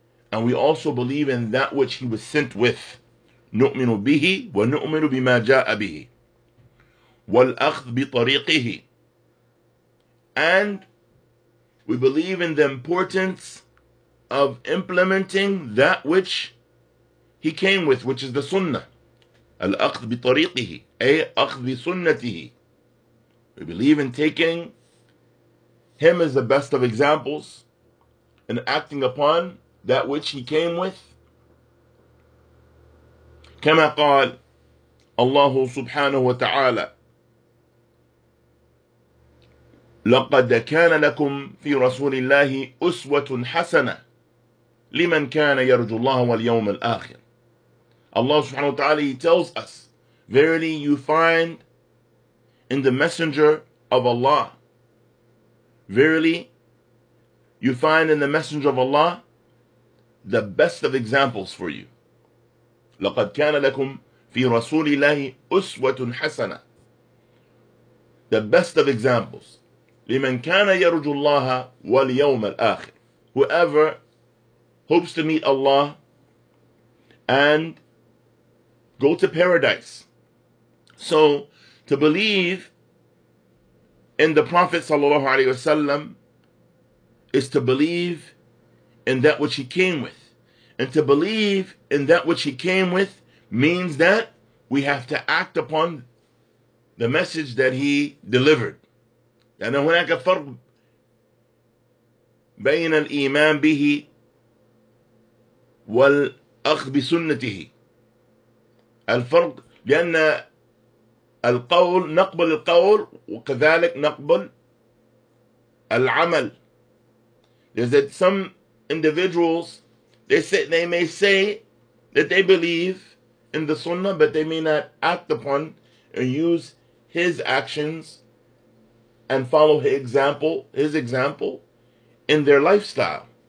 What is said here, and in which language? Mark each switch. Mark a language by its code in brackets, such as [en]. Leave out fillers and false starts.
[en] And we also believe in that which he was sent with. [ar] نُؤْمِنُ بِهِ وَنُؤْمِنُ بِمَا جَاءَ بِهِ وَالْأَخْذْ بِطَرِيقِهِ, [en] and we believe in the importance of implementing that which he came with, which is the sunnah. [ar] الْأَخْذْ بِطَرِيقِهِ أي أَخْذْ بِسُنَّتِهِ. [en] We believe in taking him as the best of examples and acting upon that which he came with. [ar] كما قال الله سبحانه وتعالى لقد كان لكم في رسول الله أسوة حسنة لمن كان يرجو الله واليوم الآخر. [en] Allah subhanahu wa ta'ala, he tells us, verily you find in the messenger of Allah, verily you find in the messenger of Allah the best of examples for you. [ar] لقد كان لكم في رسول الله أسوة حسنة, [en] the best of examples, [ar] لمن كان يرجو الله واليوم الآخر, [en] whoever hopes to meet Allah and go to paradise. So to believe in the Prophet sallallahu alaihi wasallam is to believe in that which he came with. And to believe in that which he came with means that we have to act upon the message that he delivered. [ar] لأن هناك فرق بين الإيمان به والأخذ بسنته. الفرق لأن القول, نقبل القول وكذلك نقبل العمل. [en] There's that some individuals, they may say that they believe in the sunnah, but they may not act upon and use his actions and follow his example in their lifestyle.